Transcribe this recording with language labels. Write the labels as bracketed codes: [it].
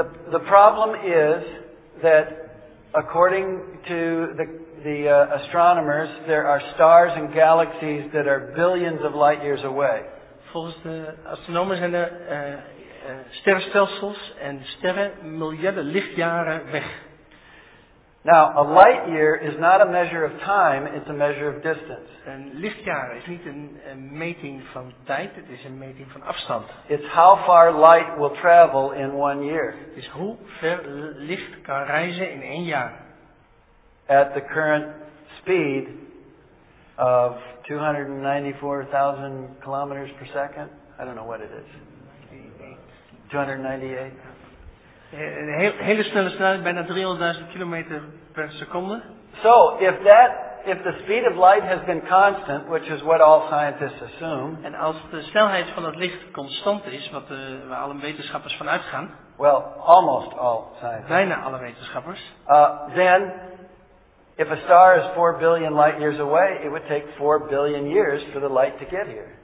[en] The problem is that according to the astronomers, there are stars and galaxies that are billions of light years away. [nl] Volgens de astronomen zijn er sterrenstelsels en sterren miljarden lichtjaren weg. [en] Now, a light year is not a measure of time, it's a measure of distance. [nl] Een lichtjaar is niet een meting van tijd, het is een meting van afstand. [en] It's how far light will travel in one year. [nl] Het is hoe ver licht kan reizen in één jaar. [en] At the current speed of 294,000 kilometers per second. I don't know what it is. 298. [nl] Hele snelle snelheid, bijna 300.000 kilometer per seconde. [en] So, if the speed of light has been constant, which is what all scientists assume. [nl] En als de snelheid van het licht constant is, wat we alle wetenschappers van uitgaan. [en] Well, almost all scientists. [nl] Bijna alle wetenschappers. [en] Then, if a star is 4 billion light years away, it would take 4 billion years for the light to get here.